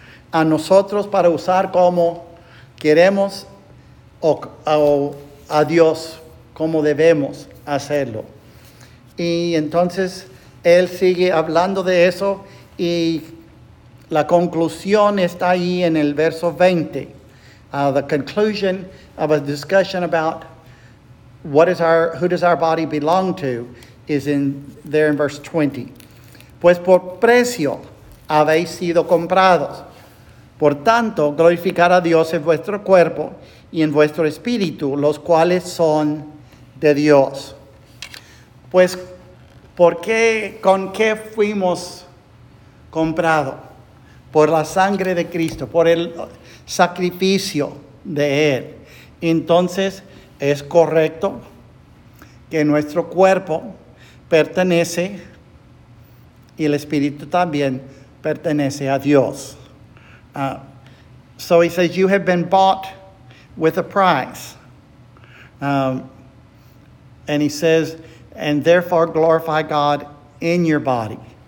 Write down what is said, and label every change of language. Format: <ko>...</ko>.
<es>A nosotros para usar como queremos o a Dios como debemos hacerlo. Y entonces él sigue hablando de eso y la conclusión está ahí en el verso 20.</es> <en>The conclusion of a discussion about who does our body belong to is in there in verse 20.</en> <es>Pues por precio habéis sido comprados. Por tanto, glorificar a Dios en vuestro cuerpo y en vuestro espíritu, los cuales son de Dios. Pues, ¿con qué fuimos comprados? por la sangre de Cristo, por el sacrificio de Él. Entonces, es correcto que nuestro cuerpo pertenece, y el espíritu también pertenece a Dios.</es> <en>So he says, you have been bought with a price. And he says, and therefore glorify God in your body.</en>